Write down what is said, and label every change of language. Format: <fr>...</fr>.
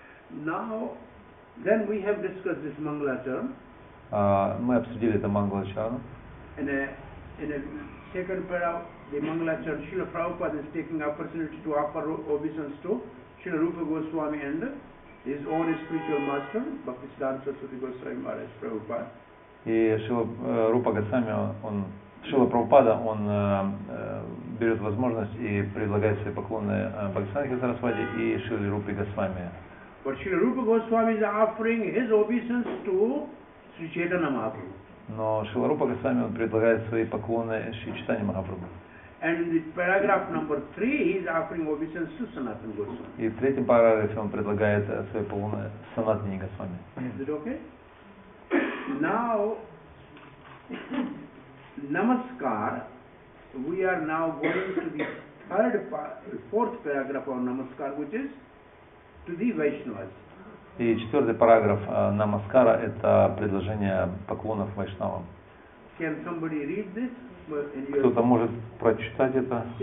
<en>Now, then we have discussed this Mangala term.</en> <ru>Мы обсудили это Mangala term.</ru> <en>In a second paragraph. The Mangala Charana, Srila Prabhupada is taking opportunity to offer obeisance to Srila Rupa Goswami and his own spiritual master, Bhaktisiddhanta Saraswati Goswami Maharaj Prabhupada.</en> <ru>И Шрила Рупа Госвами, Шрила Прабхупада, он берет возможность и предлагает свои поклоны Бхактисиддханте Сарасвати и Шрила Рупе Госвами.</ru> <en>But Srila Rupa Goswami is offering his obeisance to Sri Chaitanya Mahaprabhu.</en> <ru>Но Шрила Рупа Госвами предлагает свои поклоны Шри Чайтанья Махапрабху.</ru> <en>And in the paragraph number 3, he is offering obeisance to Sanatana Goswami.</en> <ru>И в третьем параграфе он предлагает свои поклоны Санатане Госвами.</ru> <en>Is it okay? Now, Namaskar, we are now going to the fourth paragraph of Namaskar, which is to the Vaishnavas.</en> <ru>И четвертый параграф Намаскара – это предложение поклонов Вайшнавам.</ru> <en>Can somebody read this?</en> <ru>Кто-то может прочитать это?</ru>